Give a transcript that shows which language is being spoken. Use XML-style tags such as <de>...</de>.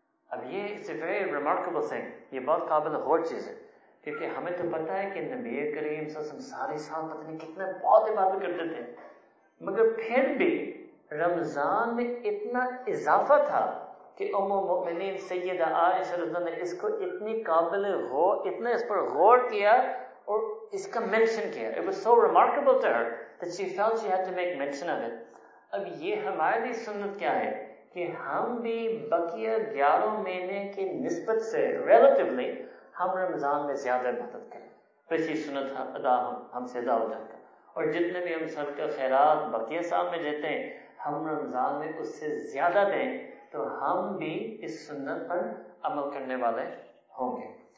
<ur>اب یہ</ur> <en>very remarkable thing,</en> <ur>یہ بہت قابل غور چیز ہے, کیونکہ ہمیں تو پتہ ہے کہ نبی کریم صلی اللہ علیہ وسلم سارے سال پتہ نہیں کتنے بہت عبادت کرتے تھے, مگر پھر بھی رمضان میں اتنا اضافہ تھا کہ ام المؤمنین سیدہ عائشہ رضی اللہ عنہ نے اس کو اتنی قابل غور, اتنا اس پر غور کیا اور اس کا مینشن کیا.</ur> <en>It was so remarkable to her that she felt she had to make mention of it.</en> <ur>اب یہ ہمارے لیے سنت کیا ہے کہ ہم بھی بقیہ گیارہ مہینے کی نسبت سے ریلیٹیولی ہم رمضان میں زیادہ عبادت کریں, بس یہ سنت ادا ہم سے ادا ہو جاتا ہے. اور جتنے بھی ہم سب کا خیرات بقیہ سال میں دیتے ہیں ہم رمضان میں اس سے زیادہ دیں, تو ہم بھی اس سنت پر عمل کرنے والے ہوں گے.</ur>